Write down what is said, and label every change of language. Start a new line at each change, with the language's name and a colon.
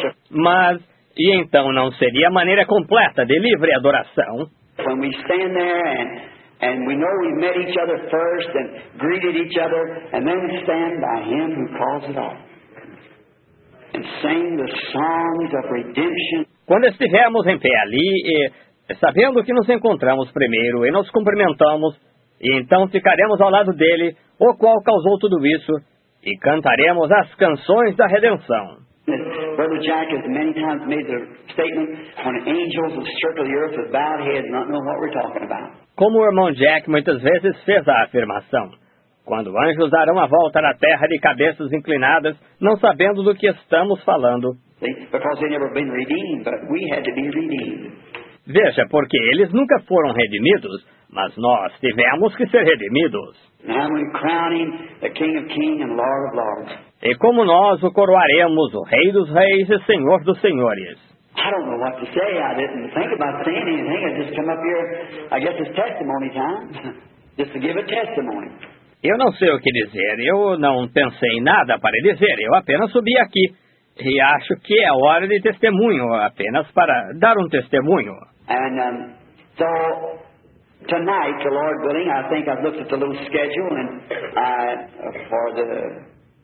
Portuguese: Mas, e então não seria a maneira completa de livre adoração?
English: When we stand there and we know we've met each other first and greeted each other and then stand by Him who calls it all and sing the songs of redemption.
Portuguese: Quando estivermos em pé ali e sabendo que nos encontramos primeiro e nos cumprimentamos e então ficaremos ao lado dele, o qual causou tudo isso, e cantaremos as canções da redenção.
English: Brother Jack has many times made the statement when angels have circled the earth with bowed heads, not knowing what we're talking about.
Portuguese: Como o irmão Jack muitas vezes fez a afirmação, quando anjos darão a volta na terra de cabeças inclinadas, não sabendo do que estamos falando.
English: Because they've never been redeemed, but we had to be redeemed.
Portuguese: Veja, porque eles nunca foram redimidos, mas nós tivemos que ser redimidos.
English: Now we're crowning the King of Kings and Lord of Lords.
Portuguese: E como nós o coroaremos, o Rei dos Reis e Senhor dos Senhores?
English: I don't know what to say. I didn't think about saying anything. I just come up here. I guess it's testimony time. Just to give a testimony.
Portuguese: Eu não sei o que dizer. Eu não pensei em nada para dizer. Eu apenas subi aqui. E acho que é hora de testemunho, apenas para dar um testemunho.
English: And so, tonight, the Lord willing, I think I've looked at the little schedule and for the...